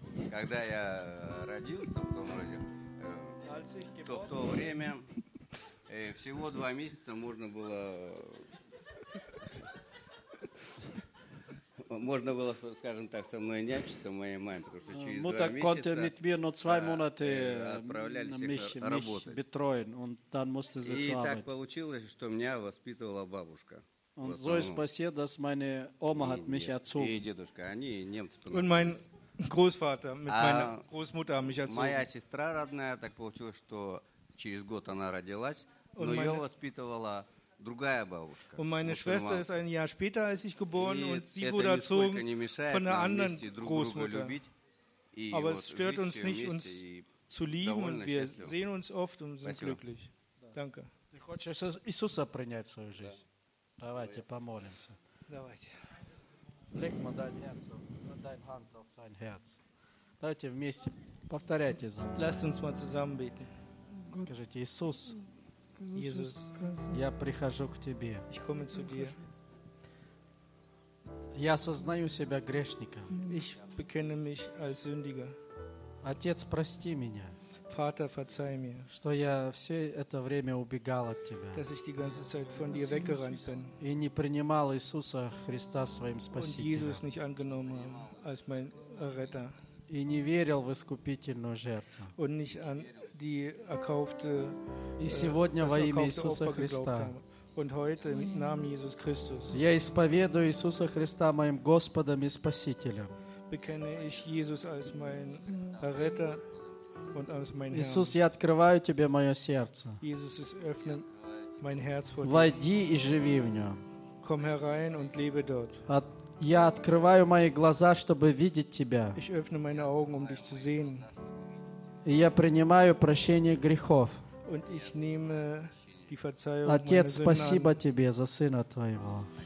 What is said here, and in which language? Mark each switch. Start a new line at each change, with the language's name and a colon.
Russian: когда я родился в том роде, то в то время всего два месяца можно было, скажем так, со мной нянчиться, моей маме, потому что через два месяца
German: mit mir nur zwei Monate betreuen, und dann musste sie zu arbeiten.
Russian: И так получилось, что меня воспитывала бабушка.
German: Und so ist passiert, dass meine Oma hat mich erzogen.
Russian: И дедушка, они немцы.
German: Und mein Großvater mit meiner Großmutter haben mich erzogen.
Russian: Моя сестра родная, так получилось, что через год она родилась, но ее воспитывала другая бабушка.
German: Und meine Schwester ist ein Jahr später als ich geboren und sie wurde erzogen von einer anderen Großmutter. Aber es stört uns nicht, uns zu lieben, und wir sehen uns oft und sind glücklich. Danke.
Russian: Ты хочешь Иисуса принять в свою жизнь? Давайте помолимся. Давайте.
German: Leg mal dein Herz auf, dein Hand auf sein Herz.
Russian: Давайте вместе повторяйте за.
German: Lasst uns mal zusammen beten.
Russian: Скажите: Иисус,
German: Jesus,
Russian: я прихожу к тебе.
German: Ich komme zu dir.
Russian: Я осознаю себя грешником.
German: Ich bekenne mich als Sündiger.
Russian: Отец, прости меня.
German: Vater, verzeih mir,
Russian: что я все это время убегал от тебя,
German: dass ich die ganze Zeit von dir weggerannt bin,
Russian: и не принимал Иисуса Христа своим спасителем,
German: und Jesus nicht angenommen als mein Retter,
Russian: и не верил в искупительную жертву,
German: und nicht an die erkaufte,
Russian: и сегодня во имя Иисуса Христа.
German: Und heute im Namen Jesus Christus.
Russian: Я исповедую Иисуса Христа моим Господом и Спасителем.
German: Bekenne ich Jesus als mein Retter und als mein Herr.
Russian: Иисус, я открываю тебе мое сердце.
German: Jesus, ich öffne mein Herz vor dir.
Russian: Войди и живи в нем.
German: Komm herein und lebe dort.
Russian: Я открываю мои глаза, чтобы видеть тебя.
German: Ich öffne meine Augen, um dich zu sehen.
Russian: И я принимаю прощение грехов.
German: Und ich nehme
Russian: Отец, спасибо тебе за сына твоего.